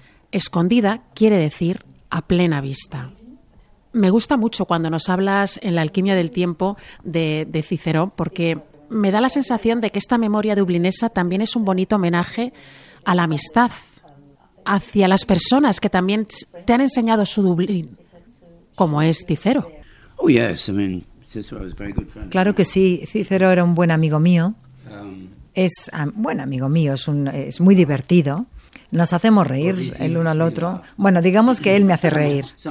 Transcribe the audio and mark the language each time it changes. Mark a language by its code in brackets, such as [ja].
[es] Escondida quiere decir a plena vista. Me gusta mucho cuando nos hablas en La alquimia del tiempo de Cicerón, porque me da la sensación de que esta memoria dublinesa también es un bonito homenaje a la amistad, hacia las personas que también te han enseñado su Dublín, como es Cicero. [en] Oh, yes, I mean, Cicero was a very good friend. [es] Claro que sí, Cicero era un buen amigo mío. Es buen amigo mío, es muy divertido. Nos hacemos reír el uno al otro. Bueno, digamos que él me hace reír.